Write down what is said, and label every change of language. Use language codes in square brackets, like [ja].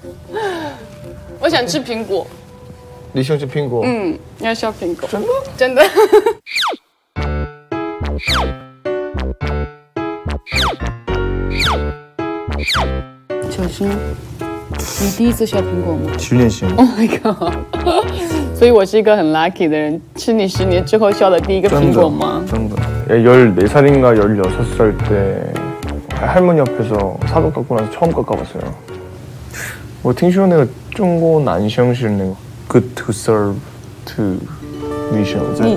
[zh] 什么？没有人跟你说过不要随便乱坐女生的床吗？听不懂。你听得懂？不知道，我是外国人。我想吃苹果。你想吃苹果？你想吃苹果？真的？小心！你第一次削苹果吗？十年前。 [en] Oh my god！ [zh] 所以我是一个很 lucky 的人，吃你十年之后削的第一个苹果吗？真的。 [ko] 14살인가16살 때 할머니 앞에서 사과 깎고 나서 처음 깎아봤어요. [zh] 我听说那个中国男生是那个。 [en] Good to serve to Michelle.